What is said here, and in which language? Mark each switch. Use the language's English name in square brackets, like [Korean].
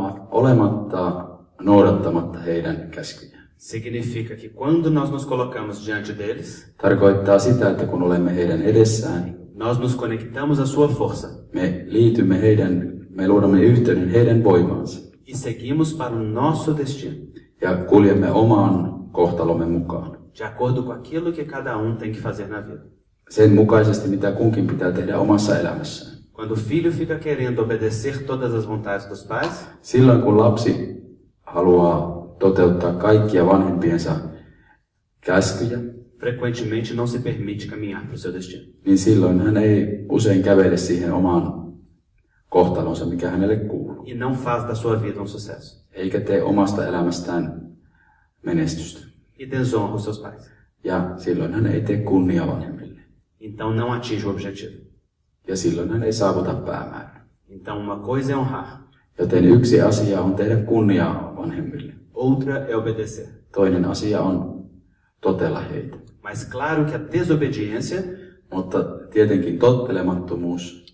[Finnish] olematta noudattamatta heidän käskyjään. [Portuguese] Significa que quando nós nos colocamos diante deles, [Finnish] tarkoittaa sitä, että kun olemme heidän edessään, [Portuguese] nós nos conectamos a sua força. [Finnish] Me liitymme heidän, me luodamme yhteyden heidän voimaansa. [Portuguese] E seguimos para o nosso destino. [Finnish] Ja kuljemme oman kohtalomme mukaan. [Portuguese] De acordo com aquilo que cada tem que fazer na vida. [Finnish] Sen mukaisesti, mitä kunkin pitää tehdä omassa elämässään. [Portuguese] Quando o filho fica querendo obedecer todas as vontades dos pais, [Finnish] silloin kun lapsi haluaa toteuttaa kaikkia vanhempiensa käskyjä, [Portuguese] frequentemente não se permite caminhar para o seu destino. [Finnish] Niin silloin hän ei usein kävele siihen omaan kohtalonsa, mikä hänelle kuuluu. [Portuguese] E não faz da sua vida sucesso. [Finnish] Eikä tee omasta elämästään menestystä. [Portuguese] E desonra os seus pais. [Finnish] Ja silloin hän ei tee kunnia vanhemmille. [Portuguese] Então não atinge o objetivo. [Finnish] Ja silloin hän ei saavuta päämäärää. [Portuguese] Então uma coisa é honrar. [Finnish] Joten yksi asia on tehdä kunnia vanhemmille. [Portuguese] Outra é obedecer. [Finnish] Toinen asia on totella heitä. [Portuguese] Mas claro que a desobediência, [Finnish] mutta tietenkin tottelemattomuus,